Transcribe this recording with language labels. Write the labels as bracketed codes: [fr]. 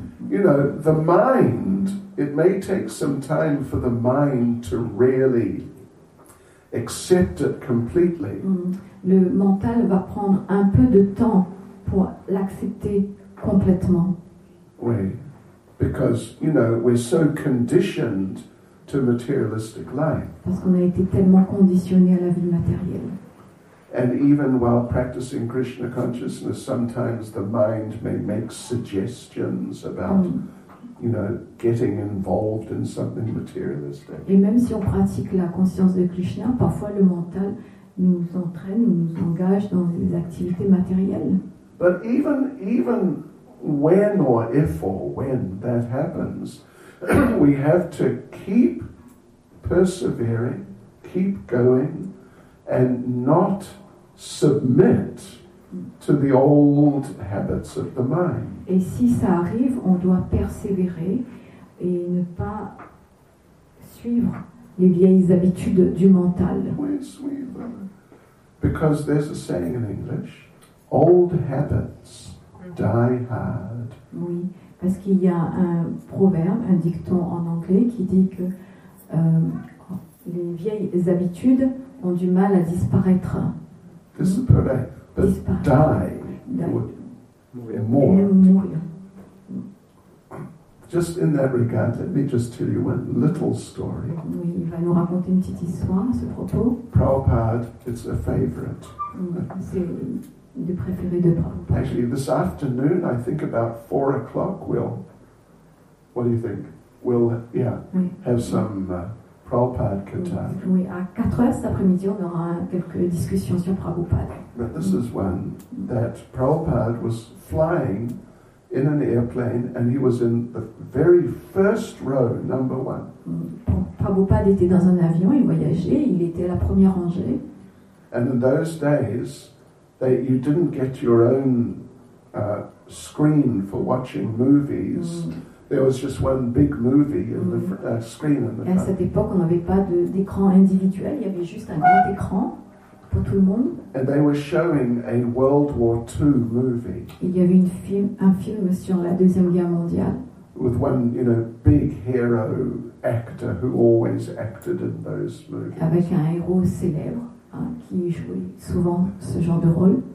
[en] You know, the mind, it may take some time for the mind to really accept it completely. [fr] Le mental va prendre un peu de temps pour l'accepter complètement. Oui. [en] Because, you know, we're so conditioned to materialistic life. [fr] Parce qu'on a été tellement conditionné à la vie matérielle. [en] And even while practicing Krishna consciousness, sometimes the mind may make suggestions about, you know, getting involved in something materialistic. [fr] Et même si on pratique la conscience de Krishna, parfois le mental nous entraîne, nous engage dans des activités matérielles. [en] But even when or if or when that happens, we have to keep persevering, keep going, and not submit to the old habits of the mind. [fr] Et si ça arrive, on doit persévérer et ne pas suivre les vieilles habitudes du mental. Oui, suivre. [en] Because there's a saying in English, old habits die hard. [fr] Oui, parce qu'il y a un proverbe, un dicton en anglais qui dit que les vieilles habitudes ont du mal à disparaître. [en] This is perfect. But die would [fr] mourir. [en] Just in that regard, let me just tell you one little story. [fr] Oui, il va nous raconter une petite histoire à ce propos. [en] Prabhupada, it's a favorite. [fr] C'est le préféré de Prabhupada. [en] Actually, this afternoon, I think about 4 o'clock, we'll. What do you think? We'll, yeah, [fr] oui. [en] Have some. Prabhupada Kirtan. [fr] Oui, à 4 heures cet après-midi, on aura quelques discussions sur Prabhupada. [en] But this is one that Prabhupada was flying in an airplane and he was in the very first row, number one. [fr] Prabhupada était dans un avion, il voyageait, il était à la première rangée. [en] And in those days, you didn't get your own screen for watching movies. There was just one big movie in the screen in the front. [fr] À cette époque, on n'avait pas d'écran individuel. Il y avait juste un grand écran pour tout le monde. [en] And they were showing a World War II movie. [fr] Il y avait un film sur la Deuxième Guerre mondiale. [en] With one, you know, big hero actor who always acted in those movies. [fr] Avec un héros célèbre qui jouait souvent ce genre de rôle.